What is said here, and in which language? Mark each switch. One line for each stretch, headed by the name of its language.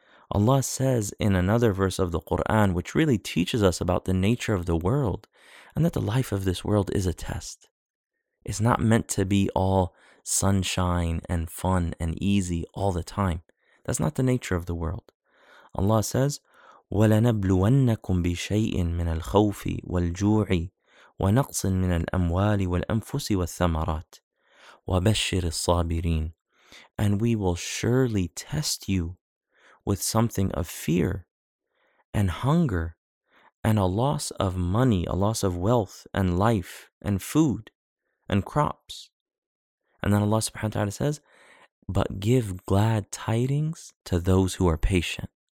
English: Allah says in another verse of the Quran, which really teaches us about the nature of the world, and that the life of this world is a test. It's not meant to be all sunshine and fun and easy all the time. That's not the nature of the world. Allah says,
Arabic: وَلَنَبْلُوَنَّكُمْ بِشَيْءٍ مِنَ الْخَوْفِ وَالْجُوعِ وَنَقْصٍ مِنَ الْأَمْوَالِ وَالْأَنفُسِ وَالثَّمَرَاتِ وَبَشِّرِ الصَّابِرِينَ.
English: And we will surely test you with something of fear and hunger and a loss of money, a loss of wealth and life and food and crops. And then Allah subhanahu wa ta'ala says, but give glad tidings to those who are patient.